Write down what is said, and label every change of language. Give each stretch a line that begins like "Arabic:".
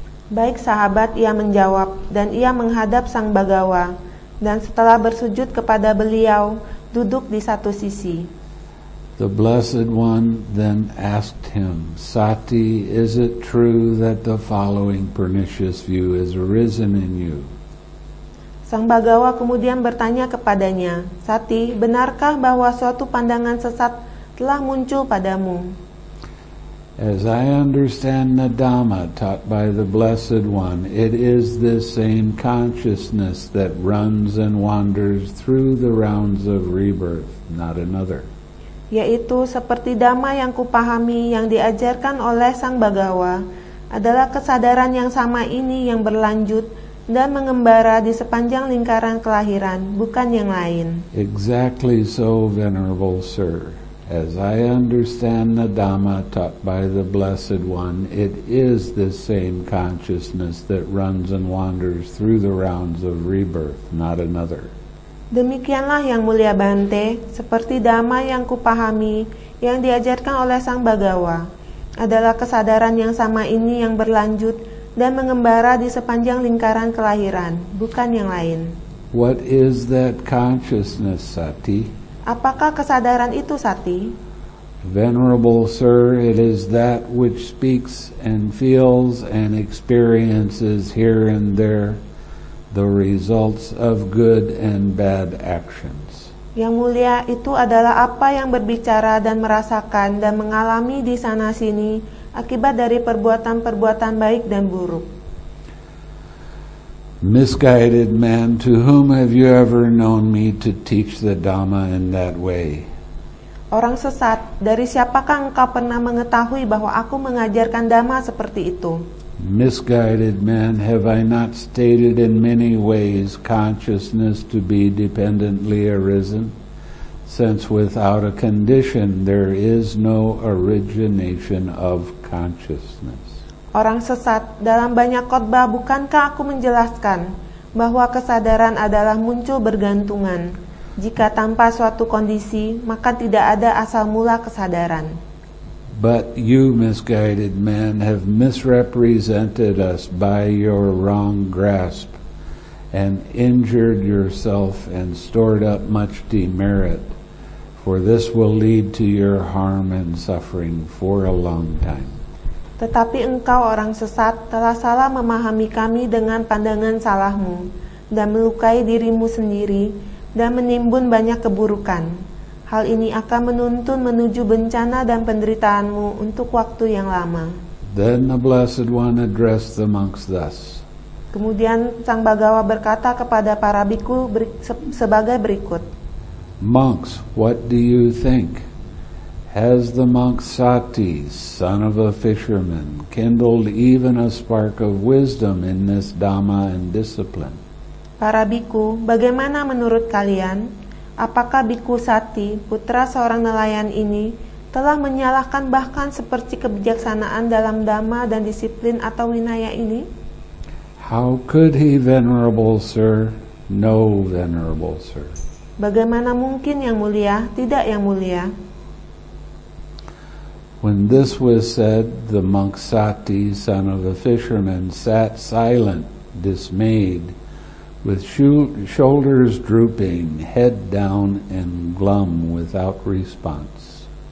Indonesian: "Baik, sahabat," ia menjawab, dan ia menghadap Sang Bhagawa, dan setelah bersujud kepada beliau, duduk di satu sisi.
English: The Blessed One then asked him, "Sati, is it true that the following pernicious view has arisen in you?"
Indonesian: Sang Bhagawa kemudian bertanya kepadanya, "Sati, benarkah bahwa suatu pandangan sesat telah muncul padamu?"
English: "As I understand the Dhamma taught by the Blessed One, it is this same consciousness that runs and wanders through the rounds of rebirth, not another."
Indonesian: Yaitu seperti dhamma yang kupahami yang diajarkan oleh Sang Bhagawa adalah kesadaran yang sama ini yang berlanjut dan mengembara di sepanjang lingkaran kelahiran, bukan yang lain.
English: "Exactly so, venerable sir. As I understand the dhamma taught by the Blessed One, it is this same consciousness that runs and wanders through the rounds of rebirth, not another."
Indonesian: Demikianlah Yang Mulia Bante, seperti dhamma yang kupahami yang diajarkan oleh Sang Bhagawa adalah kesadaran yang sama ini yang berlanjut dan mengembara di sepanjang lingkaran kelahiran, bukan yang lain.
English: "What is that consciousness, Sati?"
Indonesian: Apakah kesadaran itu, Sati?
English: "Venerable Sir, it is that which speaks and feels and experiences here and there the results of good and bad actions."
Indonesian: Yang Mulia, itu adalah apa yang berbicara dan merasakan dan mengalami di sana sini akibat dari perbuatan-perbuatan baik dan buruk.
English: "Misguided man, to whom have you ever known me to teach the Dhamma in that way?"
Indonesian: Orang sesat, dari siapakah engkau pernah mengetahui bahwa aku mengajarkan Dhamma seperti itu?
English: "Misguided man, have I not stated in many ways consciousness to be dependently arisen, since without a condition there is no origination of consciousness?"
Indonesian: Orang sesat, dalam banyak khotbah bukankah aku menjelaskan bahwa kesadaran adalah muncul bergantungan. Jika tanpa suatu kondisi, maka tidak ada asal mula kesadaran.
English: "But you, misguided man, have misrepresented us by your wrong grasp and injured yourself and stored up much demerit, for this will lead to your harm and suffering for a long time."
Indonesian: Tetapi engkau, orang sesat, telah salah memahami kami dengan pandangan salahmu dan melukai dirimu sendiri dan menimbun banyak keburukan. Hal ini akan menuntun menuju bencana dan penderitaanmu untuk waktu yang lama.
English: Then the Blessed One addressed the monks thus.
Indonesian: Kemudian Sang Bhagava berkata kepada para bhikkhu sebagai berikut.
English: Monks, what do you think? Has the monk Sati, son of a fisherman, kindled even a spark of wisdom in this Dhamma and discipline?
Indonesian: Para bhikkhu, bagaimana menurut kalian? Apakah bhikkhu Sati, putra seorang nelayan ini, telah menyalahkan bahkan seperti kebijaksanaan dalam Dhamma dan disiplin atau winaya ini?
English: How could he, venerable sir? No, venerable sir.
Indonesian: Bagaimana mungkin yang mulia? Tidak, yang mulia.
English: When this was said, the monk Sati, son of a fisherman, sat silent, dismayed, with shoulders drooping, head down and glum without response.